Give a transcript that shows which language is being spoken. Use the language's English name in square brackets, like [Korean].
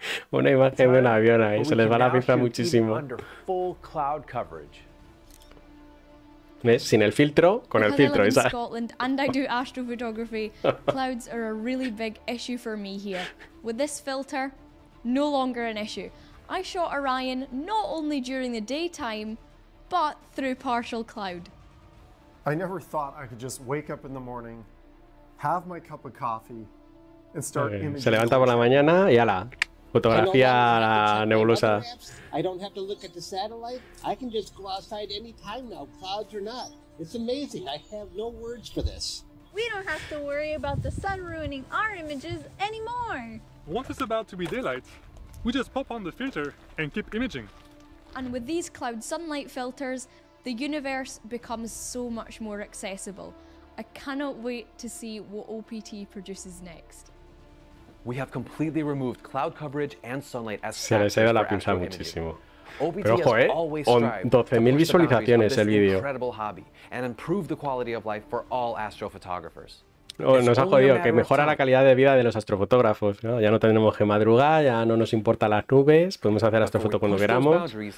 [Spanish] Una imagen de un avión ahí, se les va la pinza muchísimo. [English] Full cloud coverage. [Spanish] ¿Ves? Sin el filtro, con el filtro. [English] Because I live in Scotland and I do astrophotography, clouds are a really big issue for me here. With this filter, no longer an issue. I shot Orion not only during the daytime, but through partial cloud. I never thought I could just wake up in the morning, have my cup of coffee, and start imaging. [Spanish] Se levanta por la mañana y ala. Fotografía la nebulosa. [English] I don't have to look at the satellite. I can just go outside any time now, clouds or not. It's amazing. I have no words for this. We don't have to worry about the sun ruining our images anymore. Once it's about to be daylight, we just pop on the filter and keep imaging. And with these cloud sunlight filters, the universe becomes so much more accessible. I cannot wait to see what OPT produces next. We have completely removed cloud coverage and sunlight as [Spanish] se les ha ido la pinza muchísimo. Pero ojo, 12,000 visualizaciones el vídeo. [English] And improve the quality of life for all astrophotographers. [Spanish] Nos ha jodido que mejora la calidad de vida de los astrofotógrafos, ¿no? Ya no tenemos que madrugar, ya no nos importa las nubes, podemos hacer astrofoto cuando queramos.